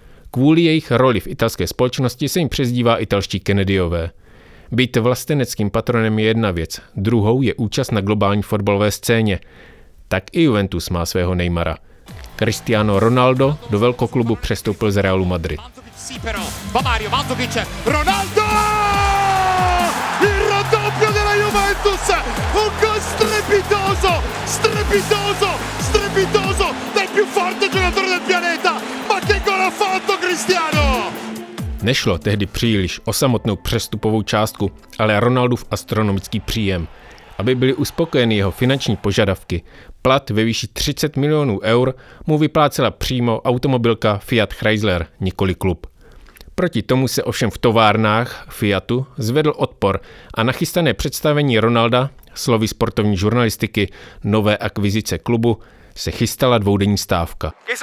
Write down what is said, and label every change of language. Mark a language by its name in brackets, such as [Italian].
[Czech] Kvůli jejich roli v italské společnosti se jim přezdívá italští Kennedyové. Být vlasteneckým patronem je jedna věc, druhou je účast na globální fotbalové scéně. Tak i Juventus má svého Neymara. Cristiano Ronaldo do velkoklubu přestoupil z Realu Madrid. [Italian] Ronaldo! Il raddoppio della Juventus! Un gol strepitoso! Strepitoso! Strepitoso! Del più forte giocatore del pianeta! Ma che gol ha fatto Cristiano! [Czech] Nešlo tehdy příliš o samotnou přestupovou částku, ale Ronaldův astronomický příjem. Aby byly uspokojeny jeho finanční požadavky, plat ve výši 30 milionů eur mu vyplácela přímo automobilka Fiat Chrysler, nikoli klub. Proti tomu se ovšem v továrnách Fiatu zvedl odpor a nachystané představení Ronalda, slovy sportovní žurnalistiky, nové akvizice klubu, se chystala dvoudenní stávka.